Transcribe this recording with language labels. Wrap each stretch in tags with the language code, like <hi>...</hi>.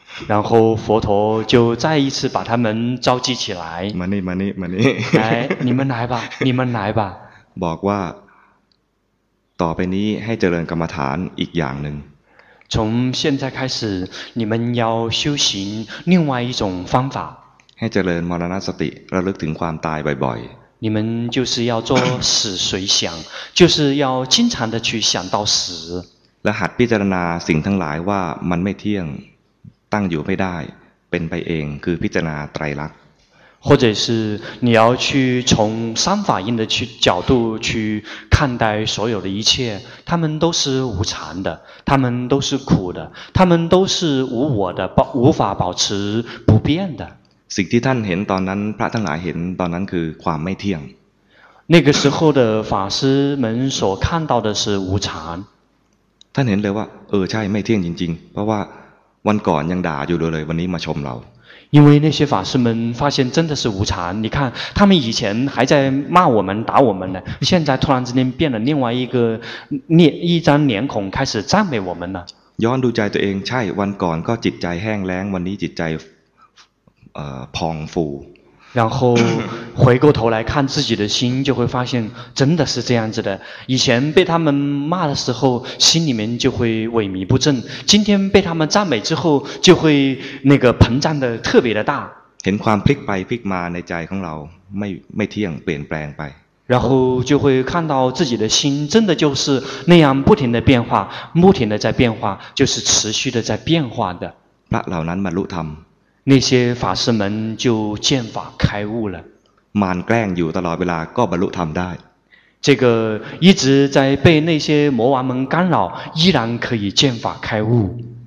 <zh>然后佛陀就再一次把他们召集起来</zh> <th>มานี่มานี่มานี่</th> <zh>来你们来吧你们来吧</zh> <th>บอกว่าต่อไปนี้ให้เจริญกรรมฐานอีกอย่างหนึ่ง</th> <zh>从现在开始你们要修行另外一种方法</zh> <th>ให้เจริญมรณสติระลึกถึงความตายบ่อย</th> <zh>ๆ你们就是要做死随想就是要经常的去想到死</zh> <th>และหัดพิจารณาสิ่งทั้งหลายว่ามันไม่เที่ยงตั้งอยู่ไม่ได้เป็นไปเองคือพิจารณาไตรลักษณ์</th> <zh>或者是你要去从三法印的去角度去看待所有的一切他们都是无常的他们都是苦的他们都是无我的无法保持不变的</zh> <th>สิ่งที่ท่านเห็นตอนนั้นพระทั้งหลายเห็นตอนนั้นคือความไม่เที่ยง</th> <zh>那个时候的法师们所看到的是无常</zh> <th>ท่านเห็นเลยว่าเออใช่ไม่เที่ยงจริงๆเพราะว่าวันก่อนยังด่าอยู่เลยวันนี้มาชมเรา</th> <zh>因为那些法师们发现真的是无常，你看他们以前还在骂我们打我们呢，现在突然之间变了另外一个脸，一张脸孔开始赞美我们了。</zh> <th>ย้อนดูใจตัวเองใช่วันก่อนก็จิตใจแห้งแล้งวันนี้จิตใจผ่องฟู</th> <zh>然后回过头来看自己的心，就会发现真的是这样子的。以前被他们骂的时候，心里面就会萎靡不振；今天被他们赞美之后，就会那个膨胀的特别的大。</zh> <th>เห็นความพลิกไปพลิกมาในใจของเราไม่เที่ยงเปลี่ยนแปลงไป。</th> <zh>然后就会看到自己的心真的就是那样不停的变化，不停的在变化，就是持续的在变化的。</zh> <th>พระเหล่านั้นบรรลุธรรม。</th> <zh>那些法师们就见法开悟了。</zh> <th>มันแกล้งอยู่ตลอดเวลาก็บรรลุธรรมได้。</th> <zh>这个一直在被那些魔王们干扰，依然可以见法开悟。</zh>